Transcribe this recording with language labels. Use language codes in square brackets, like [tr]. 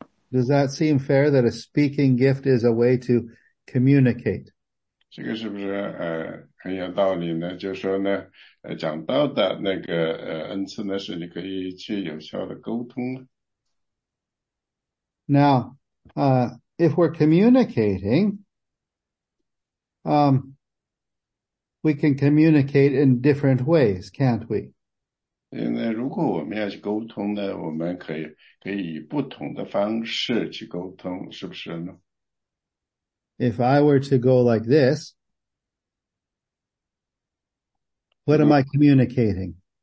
[en] Does that seem fair that a speaking gift is a way to communicate? [zh] 这个是不是很有道理呢?就是说呢,讲到的那个恩赐呢,是你可以去有效的沟通。 [en] Now, if we're communicating, we can communicate in different ways, can't we? [zh] 如果我们要去沟通呢,我们可以以不同的方式去沟通,是不是呢? [en] If I were to go like this, what am I communicating?